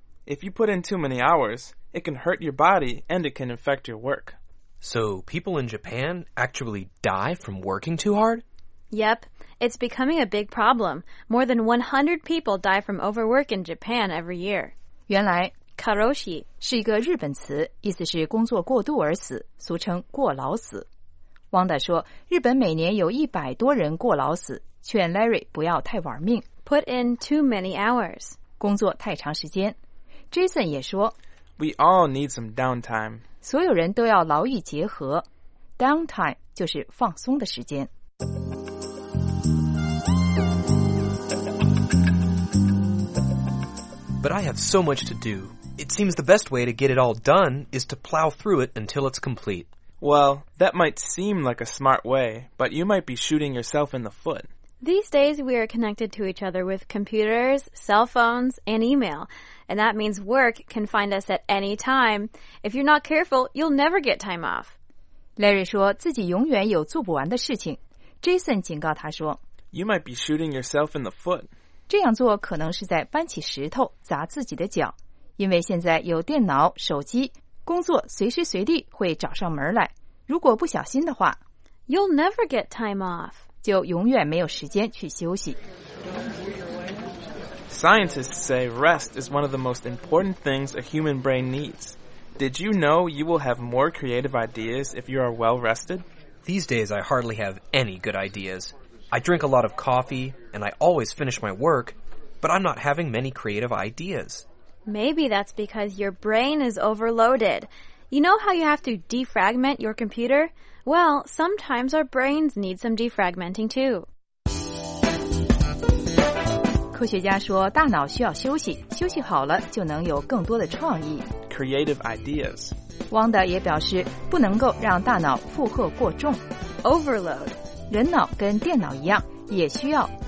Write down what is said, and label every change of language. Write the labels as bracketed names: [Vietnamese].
[English] If you put in too many hours, it can hurt your body and it can affect your work. So people in Japan actually die from working too hard? Yep, it's becoming a big problem. More than 100 people die from overwork in Japan every year. [Chinese] 原来 [Japanese] Karoshi [Chinese] 是一个日本词，意思是工作过度而死，俗称过劳死。 Wanda 说，日本每年有100多人过劳死，劝 Larry 不要太玩命。 [English] Put in too many hours. [Chinese] 工作太长时间。Jason 也说 [English] We all need some downtime. [Chinese] 所有人都要劳逸结合。Downtime 就是放松的时间。 [English] But I have so much to do. It seems the best way to get it all done is to plow through it until it's complete. Well, that might seem like a smart way, but you might be shooting yourself in the foot. These days, we are connected to each other with computers, cell phones, and email. And that means work can find us at any time. If you're not careful, you'll never get time off. [Chinese] Larry 说自己永远有做不完的事情。Jason 警告他说 [English] You might be shooting yourself in the foot. [Chinese] 这样做可能是在搬起石头砸自己的脚。因为现在有电脑、手机，工作随时随地会找上门来。如果不小心的话 [English] You'll never get time off. [Chinese] 就永远没有时间去休息。 [English] Scientists say rest is one of the most important things a human brain needs. Did you know you will have more creative ideas if you are well rested? These days I hardly have any good ideas. I drink a lot of coffee and I always finish my work, but I'm not having many creative ideas. Maybe that's because your brain is overloaded. You know how you have to defragment your computer? Well, sometimes our brains need some defragmenting too. [Chinese] 科学家说大脑需要休息，休息好了就能有更多的创意。 [English] Creative ideas. [Chinese] Wanda 也表示不能够让大脑负荷过重。 [English] Overload. [Chinese] 人脑跟电脑一样，也需要